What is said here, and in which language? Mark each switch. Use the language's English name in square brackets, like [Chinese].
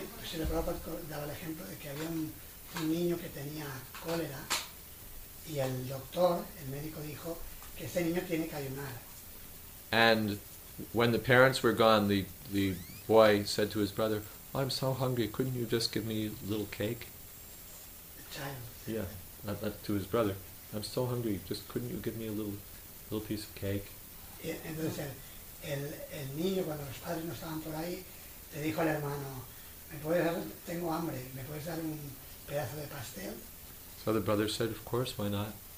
[Spanish] Se le daba el ejemplo de que había un niño que tenía cólera. Y el doctor, el médico, dijo que ese niño tiene que ayunar. [English] And when the parents were gone, the boy said to his brother, "I'm so hungry, couldn't you just give me a little cake?" The child. Yeah, to his brother. "I'm so hungry, just couldn't you give me a little piece of cake?" [Spanish] Y entonces el niño, cuando los padres no estaban por ahí, le dijo al hermano, "Tengo hambre, ¿me puedes dar un pedazo de pastel?" [English] So the brother said, "Of course, why not?"